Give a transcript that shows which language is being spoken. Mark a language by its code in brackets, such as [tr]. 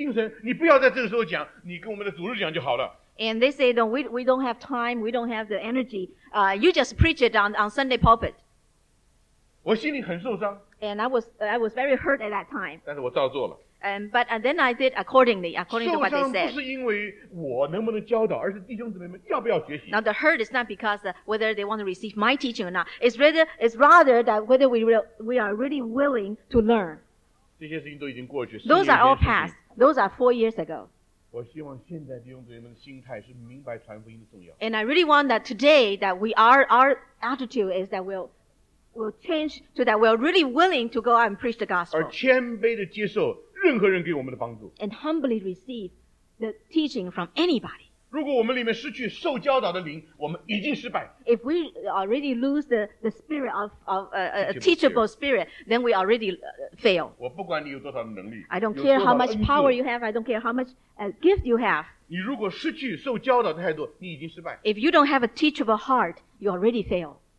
[zh] 那些长老们、执事们说，我们没有时间，没有精神，你不要在这个时候讲，你跟我们的主日讲就好了。 [en] And they say, no, we don't have time, we don't have the energy. You just preach it on Sunday pulpit. [zh] 我心里很受伤。 [en] And I was very hurt at that time. [zh] 但是我照做了。 [en] And then I did according to what they said. [zh] 受伤不是因为我能不能教导，而是弟兄姊妹们要不要学习。 [en] Now the hurt is not because whether they want to receive my teaching or not. It's rather that whether we are really willing to learn. [zh] 这些事情都已经过去，四年前的事情。 [en] Those are all past. Those are 4 years ago. [zh] 我希望现在弟兄姊妹们的心态是明白传福音的重要。And [en] I really want that today that we are our attitude is that we'll change to that we're really willing to go out and preach the gospel. [zh] 而谦卑地接受。任何人给我们的帮助, [en] and humbly receive the teaching from anybody. [zh] 如果我们里面失去受教导的灵, 我们已经失败, [en] if we already lose the spirit of a teachable spirit, then we already fail. [zh] 我不管你有多少能力, [en] I don't care how much power you have, I don't care how much gift you have. [zh] 你如果失去受教导的态度, [en] if you don't have a teachable heart, you already fail.